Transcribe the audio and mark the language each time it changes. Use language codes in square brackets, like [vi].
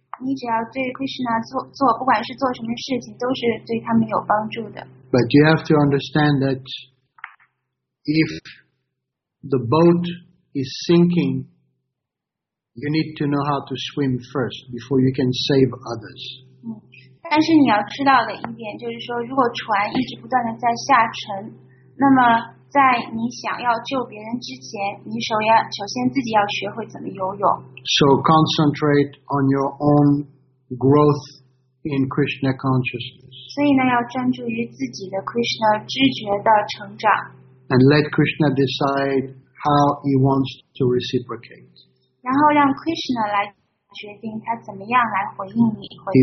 [zh] 你只要对 Krishna 做不管是做什么事情，都是对他们有帮助的。 [en] But you have to understand that if the boat is sinking, you need to know how to swim first before you can save others. [zh] 但是你要知道的一点就是说，如果船一直不断的在下沉，那么。在你想要救别人之前，你首先自己要学会怎么游泳。 [en] So concentrate on your own growth in Krishna consciousness. [zh] 所以呢，要专注于自己的 Krishna 知觉的成长。 [en] And let Krishna decide how he wants to reciprocate. [zh] 然后让 Krishna 来决定他怎么样来回应你，回报你。